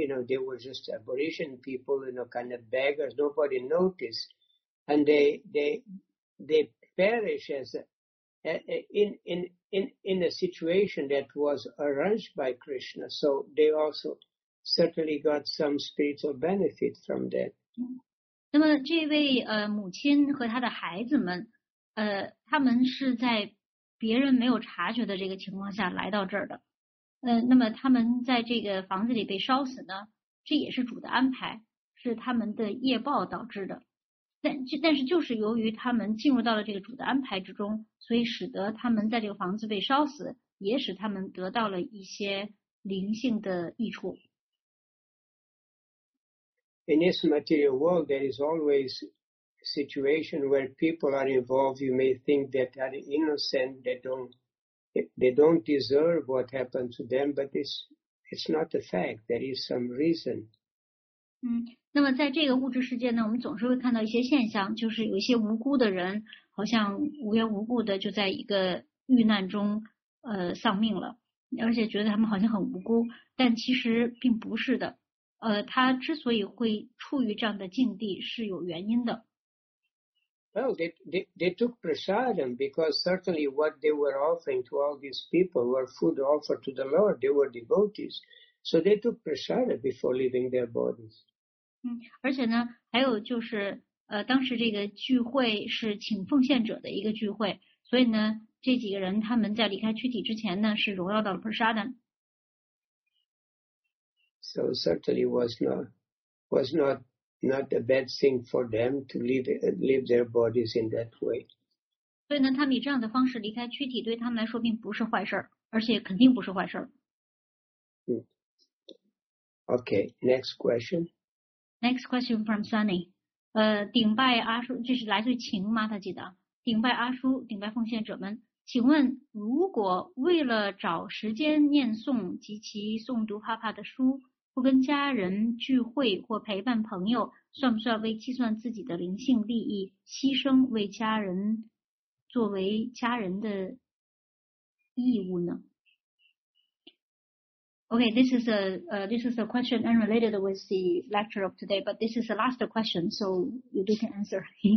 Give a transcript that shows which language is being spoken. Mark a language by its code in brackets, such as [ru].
[en] You know, they were just aboriginal people, you know, kind of beggars. Nobody noticed, and they perish as in a situation that was arranged by Krishna. So they also certainly got some spiritual benefit from that. Mm-hmm. [zh] 那么这位母亲和他的孩子们他们是在别人没有察觉的这个情况下来到这儿的。那么他们在这个房子里被烧死呢，这也是主的安排，是他们的业报导致的。但是就是由于他们进入到了这个主的安排之中，所以使得他们在这个房子被烧死，也使他们得到了一些灵性的益处。 [en] In this material world, there is always a situation where people are involved. You may think that are innocent, they don't deserve what happened to them, but it's not a fact. There is some reason. [zh] 那么在这个物质世界呢，我们总是会看到一些现象，就是有一些无辜的人好像无缘无故的就在一个遇难中丧命了，而且觉得他们好像很无辜，但其实并不是的。他之所以会处于这样的境地是有原因的。 [en] Well, they took prasadam because certainly what they were offering to all these people were food offered to the Lord. They were devotees, so they took prasadam before leaving their bodies. [zh] 而且呢，还有就是当时这个聚会是请奉献者的一个聚会，所以呢，这几个人他们在离开躯体之前呢，是荣耀到了prasadam。 [en] So certainly was not a bad thing for them to leave their bodies in that way. [zh] 所以呢，他们以这样的方式离开躯体，对他们来说并不是坏事，而且肯定不是坏事。 [en] Okay, next question. Next question from Sunny. [zh] 顶拜阿叔，这是来自晴妈，他记得顶拜阿叔，顶拜奉献者们，请问，如果为了找时间念诵及其诵读帕帕的书，不跟家人聚会或陪伴朋友，算不算为计算自己的灵性利益，牺牲为家人，作为家人的义务呢？ [en] Okay, this is a question unrelated with the lecture of today, but this is the last question, so you do can answer.